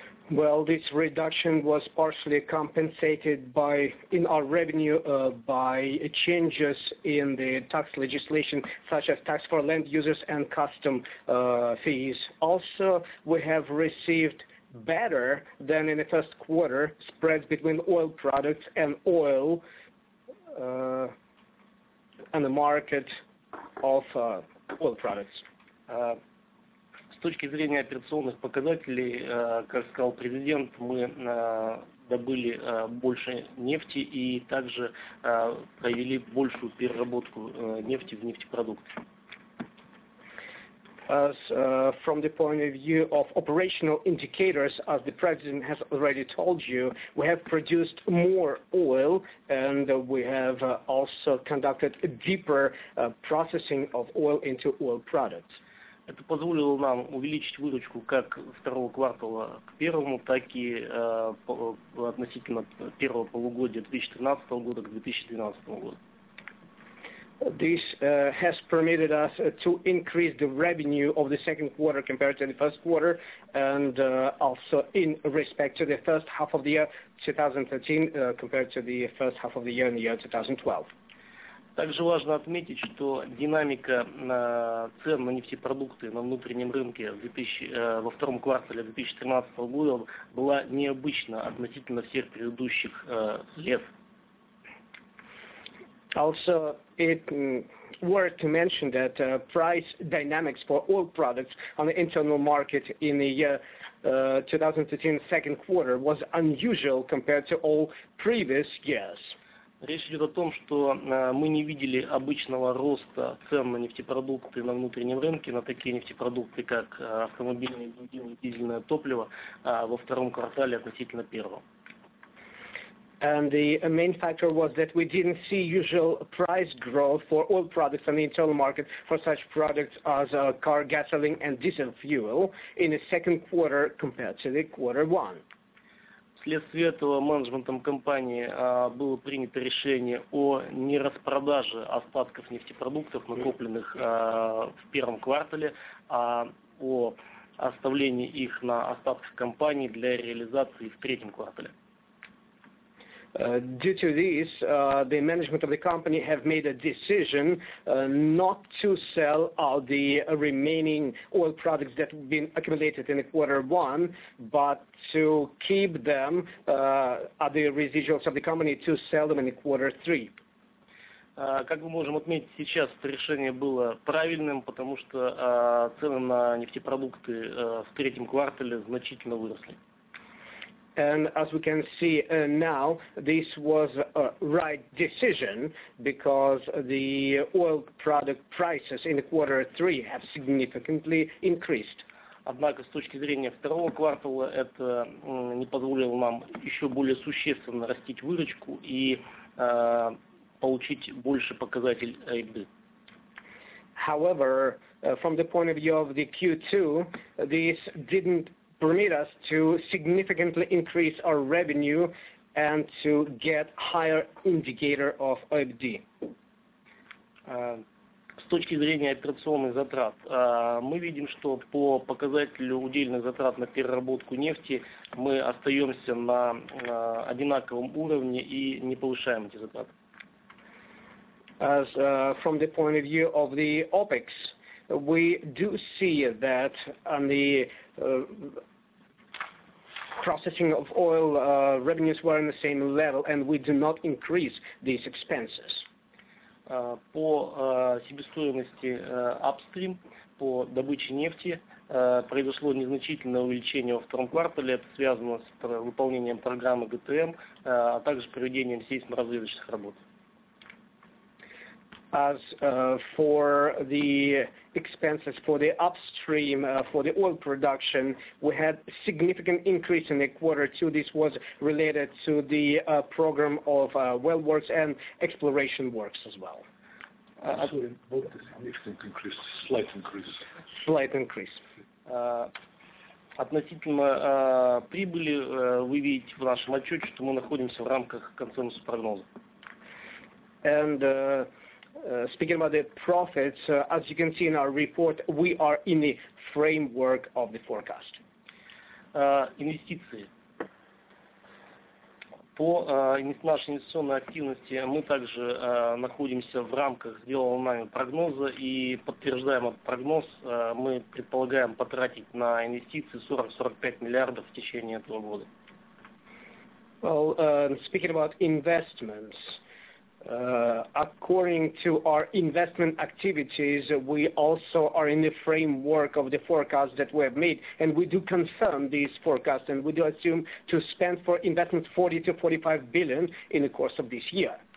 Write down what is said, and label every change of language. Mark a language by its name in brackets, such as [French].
[English] Well, this reduction was partially compensated by in our revenue by changes in the tax legislation, such as tax for land users and custom fees. Also, we have received better than in the first quarter spreads between oil products and oil and the market of oil products. [Russian] С точки зрения операционных показателей, как сказал президент, мы добыли больше нефти и также провели большую переработку нефти в нефтепродукты. [English] As from the point of view of operational indicators, as the president has already told you, we have produced more oil and we have also conducted a deeper processing of oil into oil products. [Russian] Это позволило нам увеличить выручку как второго квартала к первому, так и относительно первого полугодия 2013 года к 2012 году. [English] This has permitted us to increase the revenue of the second quarter compared to the first quarter, and also in respect to the first half of the year 2013 compared to the first half of the year in the year 2012. [Russian] Также важно отметить, что динамика цен на нефтепродукты на внутреннем рынке во втором квартале 2013 года была необычна относительно всех предыдущих лет. [English] Also, it worth to mention that price dynamics for oil products on the internal market in the year 2013 second quarter was unusual compared to all previous years. [Russian] Речь идет о том, что мы не видели обычного роста цен на нефтепродукты на внутреннем рынке, на такие нефтепродукты, как автомобильное и дизельное топливо, во втором квартале относительно первого. [English] And the main factor was that we didn't see usual price growth for oil products on the internal market for such products as car gasoline and diesel fuel in the second quarter compared to the quarter one. [Russian] Вследствие этого менеджментом компании было принято решение о нераспродаже остатков нефтепродуктов, накопленных в первом квартале, а о оставлении их на остатках компании для реализации в третьем квартале. [English] Due to this, the management of the company have made a decision not to sell all the remaining oil products that have been accumulated in the quarter one, but to keep them, the residuals of the company, to sell them in the quarter three. [Russian] Как мы можем отметить сейчас, это решение было правильным, потому что цены на нефтепродукты в третьем квартале значительно выросли. [English] And as we can see now, this was a right decision because the oil product prices in the quarter three have significantly increased. [Russian] Однако с точки зрения второго квартала это не позволило нам еще более существенно растить выручку и получить больше показатель EBITDA. [English] However, from the point of view of the Q2, this didn't permit us to significantly increase our revenue and to get higher indicator of OIBDA. [Russian] С точки зрения операционных затрат, мы видим, что по показателю удельных затрат на переработку нефти мы остаемся на одинаковом уровне и не повышаем эти затраты. [English] From the point of view of the OPEX, we do see that on the processing of oil, revenues were on the same level, and we do not increase these expenses. [Russian] По себестоимости upstream, по добыче нефти, произошло незначительное увеличение во втором квартале. Это связано с выполнением программы ГТМ, а также проведением сейсморазведывательных работ. [English] As for the expenses for the upstream, for the oil production, we had significant increase in the quarter two. This was related to the program of well works and exploration works as well. Sorry, both the significant increase, slight increase. Slight increase. [Russian] Относительно прибыли, вы видите в нашем отчете, что мы находимся в рамках консенсуса прогноза. [English] And speaking about the profits, as you can see in our report, we are in the framework of the forecast. [Russian] Инвестиции. По нашей инвестиционной активности мы также находимся в рамках сделанного нами прогноза и подтверждаем этот прогноз. Мы предполагаем потратить на инвестиции 40-45 миллиардов в течение этого года. [English] Well, speaking about investments, according to our investment activities, we also are in the framework of the forecast that we have made, and we do confirm these forecasts, and we do assume to spend for investments 40 to 45 billion in the course of this year.